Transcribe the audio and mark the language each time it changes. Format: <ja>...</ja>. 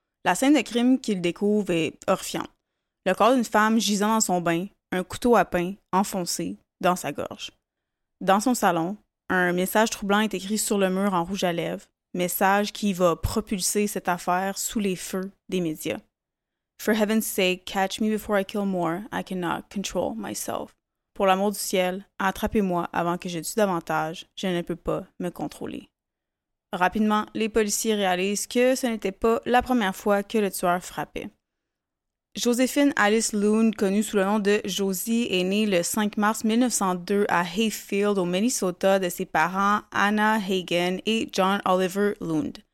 <fr>La scène de crime qu'ils découvrent est horrifiante. Le corps d'une femme gisant dans son bain, un couteau à pain enfoncé dans sa gorge. Dans son salon, un message troublant est écrit sur le mur en rouge à lèvres, message qui va propulser cette affaire sous les feux des médias.</fr> <en>For heaven's sake, catch me before I kill more, I cannot control myself.</en> <fr>Pour l'amour du ciel, attrapez-moi avant que je tue davantage, je ne peux pas me contrôler. Rapidement, les policiers réalisent que ce n'était pas la première fois que le tueur frappait. Joséphine Alice Loon, connue sous le nom de Josie, est née le 5 mars 1902 à Hayfield, au Minnesota, de ses parents Anna Hagen et John Oliver Loon.</fr>